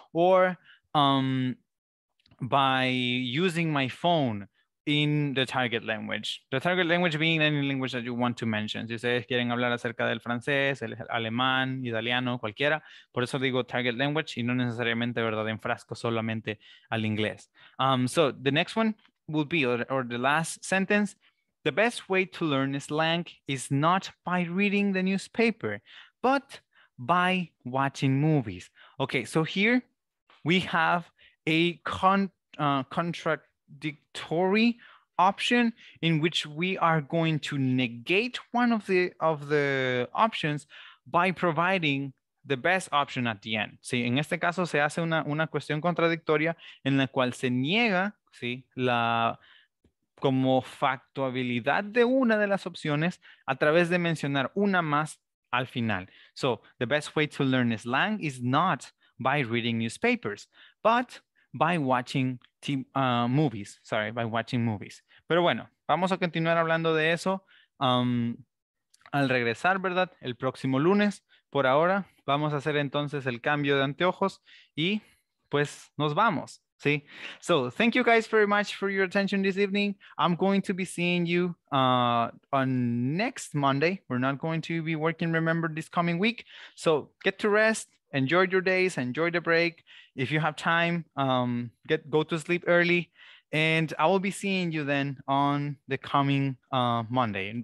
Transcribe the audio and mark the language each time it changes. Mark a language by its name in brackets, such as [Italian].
[English] Or by using my phone in the target language. The target language being any language that you want to mention. [Spanish] Si ustedes quieren hablar acerca del francés, el alemán, italiano, cualquiera, por eso digo target language y no necesariamente, ¿verdad?, enfrasco solamente al inglés. [English] So the next one would be, or the last sentence, the best way to learn slang is not by reading the newspaper, but by watching movies. Okay, so here we have a con, contradictory option in which we are going to negate one of the options by providing the best option at the end. [Spanish] Sí, en este caso se hace una cuestión contradictoria en la cual se niega, sí, la como factibilidad de una de las opciones a través de mencionar una más al final. [English] So, the best way to learn slang is not by reading newspapers, but by watching movies. Sorry, by watching movies. [Spanish] Pero bueno, vamos a continuar hablando de eso al regresar, ¿verdad? El próximo lunes. Por ahora, vamos a hacer entonces el cambio de anteojos y pues nos vamos. [English] See, so thank you guys very much for your attention this evening. I'm going to be seeing you on next Monday. We're not going to be working, remember, this coming week. So get to rest, enjoy your days, enjoy the break. If you have time, go to sleep early. And I will be seeing you then on the coming Monday.